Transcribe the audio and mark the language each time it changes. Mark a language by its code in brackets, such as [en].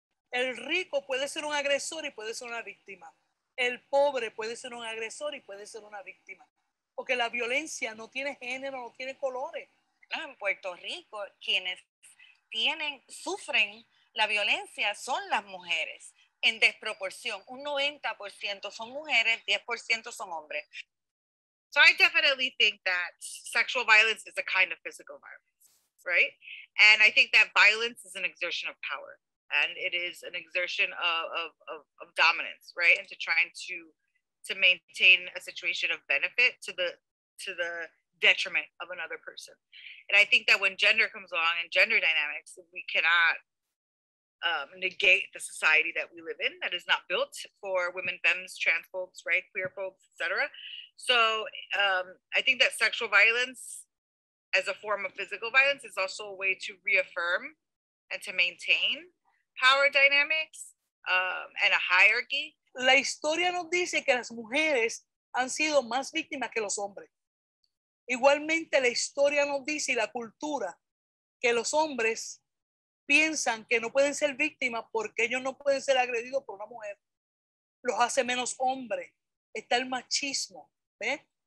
[es] El rico puede ser un agresor y puede ser una víctima. El pobre puede ser un agresor y puede ser una víctima. Porque la violencia no tiene género, no tiene colores. Claro, en Puerto Rico, quienes sufren la violencia son las mujeres, en desproporción. Un 90% son mujeres, 10% son hombres. [en] So I definitely think that sexual violence is a kind of physical violence, right? And I think that violence is an exertion of power. And it is an exertion of dominance, right? And to trying to maintain a situation of benefit to the detriment of another person. And I think that when gender comes along and gender dynamics, we cannot negate the society that we live in that is not built for women, femmes, trans folks, right, queer folks, etc. So I think that sexual violence as a form of physical violence is also a way to reaffirm and to maintain power dynamics and a hierarchy. [es] La historia nos dice que las mujeres han sido más víctimas que los hombres. Igualmente, la historia nos dice y la cultura que los hombres piensan que no pueden ser víctimas porque ellos no pueden ser agredidos por una mujer. Los hace menos hombres. Está el machismo. ¿Ves?